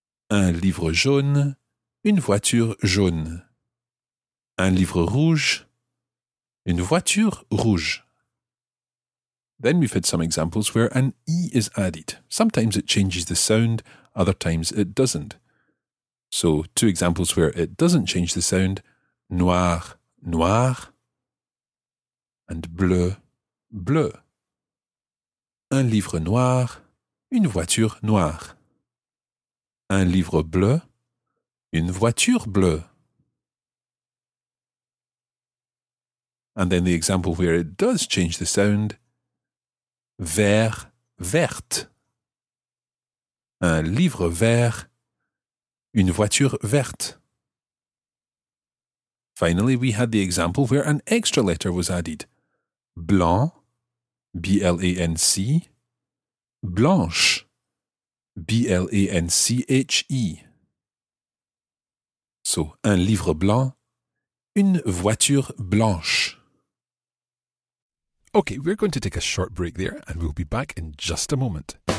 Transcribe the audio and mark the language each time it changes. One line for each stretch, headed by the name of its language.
French: Un livre jaune, une voiture jaune. Un livre rouge, une voiture rouge.
English: Then we've had some examples where an E is added. Sometimes it changes the sound, other times it doesn't. So, two examples where it doesn't change the sound, noir, noir, and bleu, bleu.
French: Un livre noir, une voiture noire. Un livre bleu, une voiture bleue.
English: And then the example where it does change the sound, vert, verte.
French: Un livre vert, une voiture verte.
English: Finally, we had the example where an extra letter was added. Blanc, B-L-A-N-C, Blanche, B-L-A-N-C-H-E.
French: So, un livre blanc, une voiture blanche.
English: Okay, we're going to take a short break there and we'll be back in just a moment.